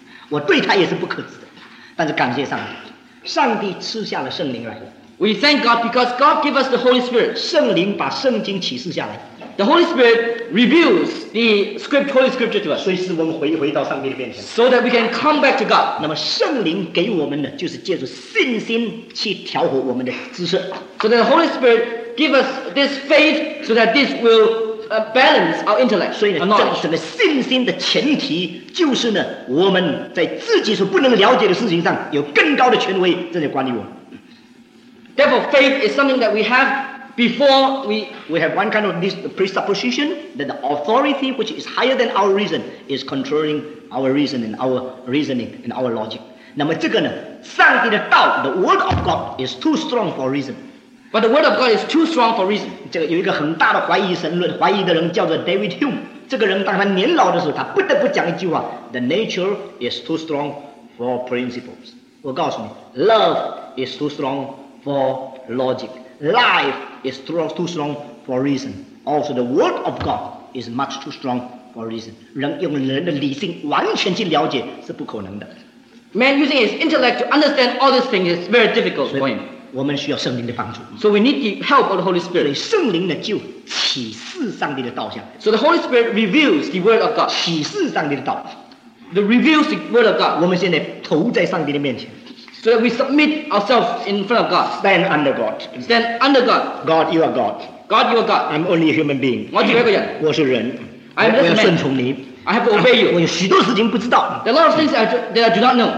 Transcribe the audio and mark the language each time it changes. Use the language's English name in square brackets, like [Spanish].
[Chinese] 我对他也是不可知的，但是感谢上帝，上帝赐下了圣灵来了。 [English] We thank God because God gives us the Holy Spirit. [Chinese] 圣灵把圣经启示下来。 [English] The Holy Spirit reveals the script, Holy Scripture to us. [Chinese] 所以使我们回到上帝的面前。 [English] So that we can come back to God. [Chinese] 那么圣灵给我们的就是借助信心去调和我们的知识。 [English] So that the Holy Spirit gives us this faith so that this will balance our intellect. [Chinese] 所以呢，整个信心的前提就是呢，我们在自己所不能了解的事情上有更高的权威正在管理我们。 [English] Therefore, faith is something that we have before we have one kind of this presupposition that the authority which is higher than our reason is controlling our reason and our reasoning and our logic. [Chinese] 那么这个呢，上帝的道 [English] the word of God is too strong for reason. But the word of God is too strong for reason. [Chinese] 这个有一个很大的怀疑神论，怀疑的人叫做 David Hume. 这个人当他年老的时候，他不得不讲一句话 ： [English] The nature is too strong for principles. [Chinese] 我告诉你 [English] ，love is too strong. For logic, life is too strong for reason. Also, the word of God is much too strong for reason. [Chinese] 人用人的理性完全去了解是不可能的。 [English] Man using his intellect to understand all these things is very difficult for him. [Chinese] 我们需要圣灵的帮助。 [English] So we need the help of the Holy Spirit. [Chinese] 所以圣灵呢就启示上帝的道向。 [English] So the Holy Spirit reveals the word of God. [Chinese] 启示上帝的道。 [English] The reveals the word of God. [Chinese] 我们现在投在上帝的面前。 [English] So that we submit ourselves in front of God. Stand under God. Stand under God. God, you are God. God, you are God. I'm only a human being. [Chinese] 我只是一个人。我是人。 [English] I'm just a man. [Chinese] 我要顺从你。 [English] I have to obey you. [Chinese] 我有许多事情不知道。 [English] There are a lot of things that I do not know.